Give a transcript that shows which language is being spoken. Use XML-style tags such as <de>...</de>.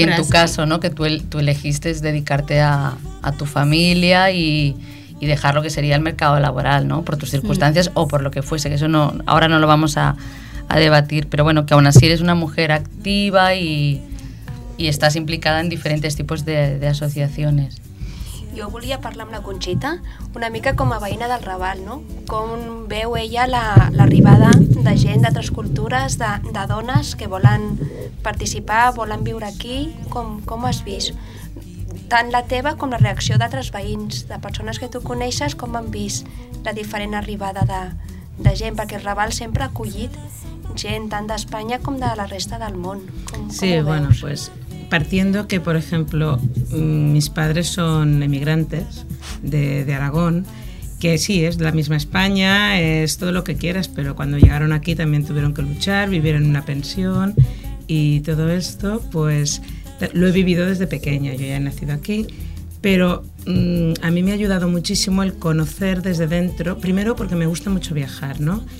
<es>Y en tu caso, ¿no? Que tú elegiste dedicarte a tu familia y dejar lo que sería el mercado laboral, ¿no? Por tus circunstancias o por lo que fuese. Que eso no, ahora no lo vamos a debatir. Pero bueno, que aún así eres una mujer activa y estás implicada en diferentes tipos de asociaciones.</es> <ca>Jo volia parlar amb la Conxita una mica com a veïna del Raval, no? Com veu ella l'arribada de gent d'altres cultures, de dones que volen participar, volen viure aquí, com has vist? Tant la teva com la reacció d'altres veïns, de persones que tu coneixes, com han vist la diferent arribada de gent? Perquè el Raval sempre ha acollit gent tant d'Espanya com de la resta del món. Com bueno, pues...</ca> <es>Partiendo que, por ejemplo, mis padres son emigrantes de Aragón, que sí, es la misma España, es todo lo que quieras, pero cuando llegaron aquí también tuvieron que luchar, vivir en una pensión y todo esto, pues lo he vivido desde pequeña, yo ya he nacido aquí, pero a mí me ha ayudado muchísimo el conocer desde dentro, primero porque me gusta mucho viajar, ¿no?</es>